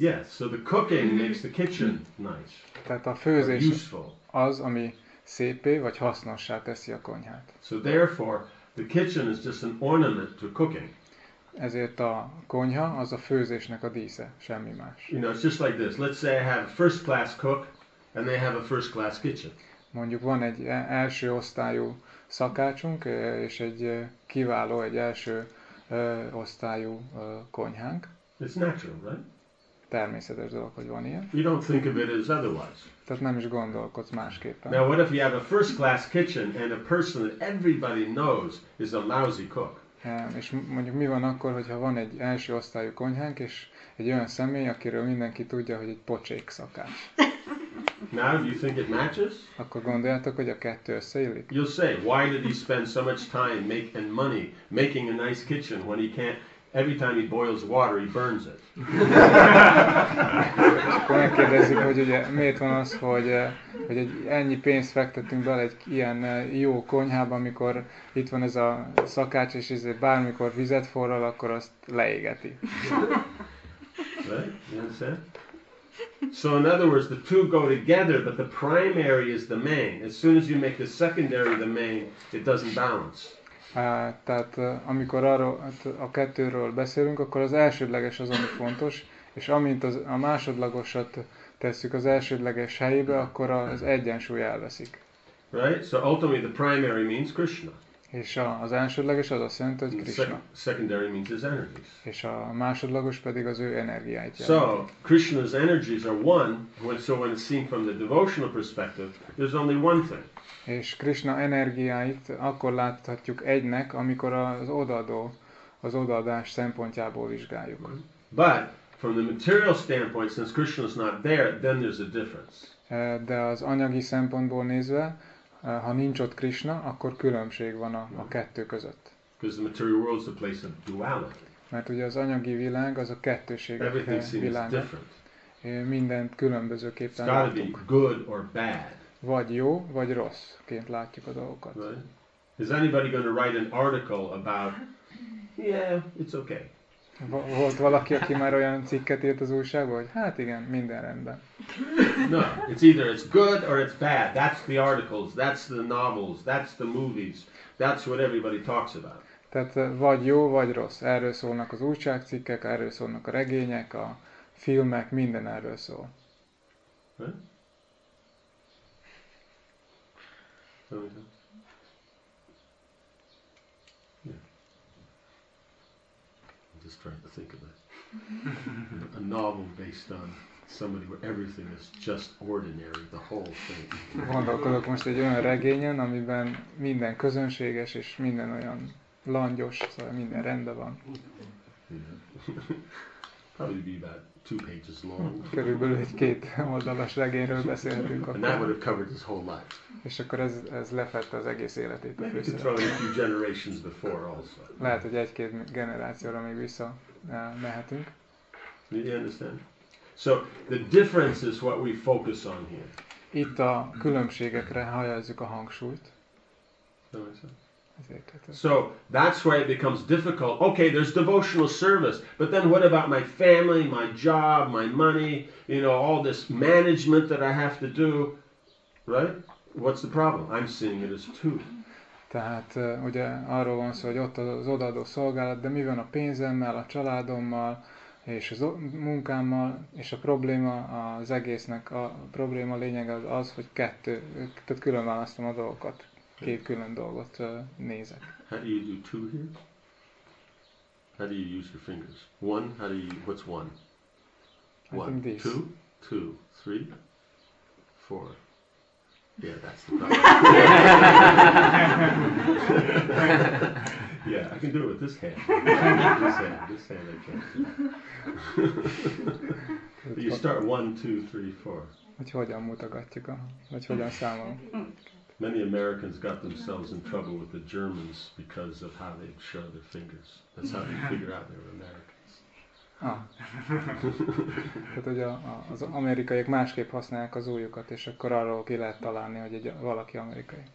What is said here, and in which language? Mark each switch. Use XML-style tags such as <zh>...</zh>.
<en>Yes, so the cooking makes the kitchen nice.</en> <hu>Tehát a főzés az, ami szépé, vagy hasznossá teszi a konyhát.</hu> <en>So therefore, the kitchen is just an ornament to cooking.</en> <hu>Ezért a konyha az a főzésnek a dísze, semmi más.</hu> <en>You know, it's just like this. Let's say I have a first class cook and they have a first class kitchen.</en> <hu>Mondjuk van egy első osztályú szakácsunk és egy kiváló, egy első osztályú konyhánk.</hu> <en>It's natural, right?</en> <hu>Természetes dolog, hogy van ilyen.</hu> <en>You don't think of it as otherwise.</en> <hu>Tehát nem is gondolkodsz másképpen.</hu> <en>Now what if you have a first class kitchen and a person that everybody knows is a lousy cook?</en> <hu>És mondjuk mi van akkor, hogyha van egy első osztályú konyhánk, és egy olyan személy, akiről mindenki tudja, hogy egy pocsék szakács.</hu> <en>Now, do you think it matches?</en> <hu>Akkor gondoljátok, hogy a kettő összeillik?</hu> <en>You'll say, why did he spend so much time make and money making a nice kitchen when he can't, every time he boils water, he burns it.</en> <hu>Akkor megkérdezik, hogy ugye miért van az, hogy egy ennyi pénzt fektettünk bele egy ilyen jó konyhába, amikor itt van ez a szakács, és ezért bármikor vizet forral, akkor azt leégeti.</hu> <en>Right? You understand? So in other words, the two go together, but the primary is the main. As soon as you make the secondary the main, it doesn't balance.</en> <hu>Tehát amikor arról a kettőről beszélünk, akkor az elsődleges az, ami fontos, és amint a másodlagosat tesszük az elsődleges helyébe, akkor az egyensúly elveszik.</hu> <en>Right? So ultimately the primary means Krishna.</en> <hu>És az elsődleges az azt jelenti, hogy Krishna.</hu> <en>Secondary means his energies.</en> <hu>És a másodlagos pedig az ő energiáit jelent.</hu> <en>So Krishna's energies are one, when seen from the devotional perspective, there's only one thing.</en> <hu>És Krishna energiáit akkor láthatjuk egynek, amikor az odaadás szempontjából vizsgáljuk.</hu> <en>But from the material standpoint, since Krishna is not there, then there's a difference.</en> <hu>De az anyagi szempontból nézve, ha nincs ott Krishna, akkor különbség van a kettő között.</hu> <en>Because the material world is a place of duality.</en> <hu>Mert ugye az anyagi világ az a kettőség világa.</hu> <en>Different.</en> <hu>Mindent különbözőképpen látunk.</hu> <en>It's gotta be good or bad.</en> <hu>Vagy jó, vagy rosszként látjuk a dolgokat.</hu> <en>Right. Is anybody going to write an article about, yeah, it's okay.</en> <hu>Volt valaki, aki már olyan cikket írt az újságban, hogy hát igen, minden rendben.</hu> <en>No, it's either it's good or it's bad. That's the articles, that's the novels, that's the movies. That's what everybody talks about.</en> <hu>Tehát vagy jó, vagy rossz. Erről szólnak az újságcikkek, erről szólnak a regények, a filmek, minden erről szól.</hu> <en>Right. Yeah. I'm just trying to think of a novel based on somebody where everything is just ordinary, the whole thing.</en> <hu>Gondolkodok most egy olyan regényen, amiben minden közönséges és minden olyan langyos, szóval minden rendben van.</hu> <en>Probably be about 2 pages long.</en> <hu>Körülbelül egy két oldalas regényről beszélhetünk.</hu> <en>And that would have covered his whole life.</en> <hu>És akkor ez lefette az egész életét.</hu> <en>Maybe you could throw in a few generations before also.</en> <hu>Lehet, hogy egy-két generációra még vissza mehetünk.</hu> <en>Do you understand? So the difference is what we focus on here.</en> <hu>Itt a különbségekre helyezzük a hangsúlyt.</hu> <en>So that's why it becomes difficult. Okay, there's devotional service, but then what about my family, my job, my money, you know, all this management that I have to do, right? What's the problem? I'm seeing it as two.</en> <hu>Tehát ugye arról van szó, hogy ott az odaadó szolgálat, de mi van a pénzemmel, a családommal és az munkámmal, és a probléma az egésznek, a probléma lényeg az az, hogy kettő, tehát külön választom a dolgokat. Két külön dolgot nézek.</hu> <en>How do you do two here? How do you use your fingers? One, how do you, what's one? One, two, two, three, four. Yeah, that's the problem. Yeah, I can do it with this hand. This hand I can do. You start one, two, three, four.</en> <hu>Hogy hogyan mutogatjuk, vagy hogyan számolunk.</hu> <en>Many Americans got themselves in trouble with the Germans because of how they show their fingers. That's how they figure out they were Americans.</en> <hu>Tehát ugye az amerikaiak másképp használják az ujjukat, és akkor arról ki lehet találni, hogy egy valaki amerikai.</hu>